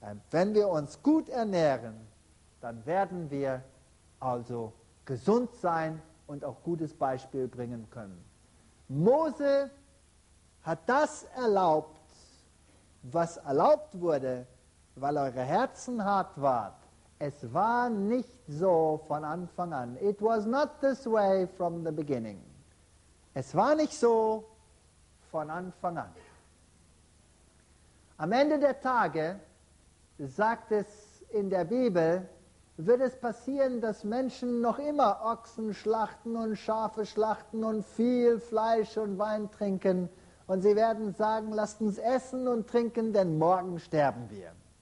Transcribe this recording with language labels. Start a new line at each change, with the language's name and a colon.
German: Wenn wir uns gut ernähren, dann werden wir also gesund sein und auch gutes Beispiel bringen können. Mose hat das erlaubt, was erlaubt wurde, weil eure Herzen hart waren. Es war nicht so von Anfang an.
English: It was not this way from the beginning.
German: Es war nicht so von Anfang an. Am Ende der Tage, sagt es in der Bibel, wird es passieren, dass Menschen noch immer Ochsen schlachten und Schafe schlachten und viel Fleisch und Wein trinken und sie werden sagen, lasst uns essen und trinken, denn morgen sterben wir.